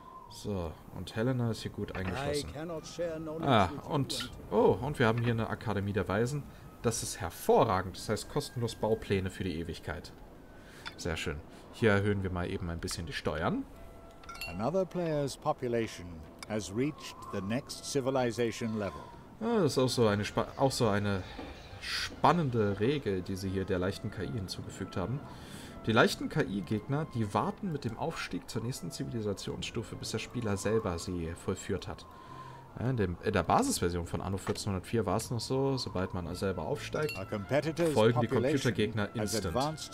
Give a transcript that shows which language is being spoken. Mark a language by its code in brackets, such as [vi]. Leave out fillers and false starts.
[de] So, und Helena ist hier gut eingeschlossen. Ah, und... Oh, und wir haben hier eine Akademie der Weisen. Das ist hervorragend. Das heißt, kostenlos Baupläne für die Ewigkeit. Sehr schön. Hier erhöhen wir mal eben ein bisschen die Steuern. [en] Another player's population has reached the next civilization level. [de] Ja, das ist auch so eine spannende Regel, die sie hier der leichten KI hinzugefügt haben. Die leichten KI-Gegner, die warten mit dem Aufstieg zur nächsten Zivilisationsstufe, bis der Spieler selber sie vollführt hat. In der Basisversion von Anno 1404 war es noch so, sobald man selber aufsteigt, folgen die Computergegner instant.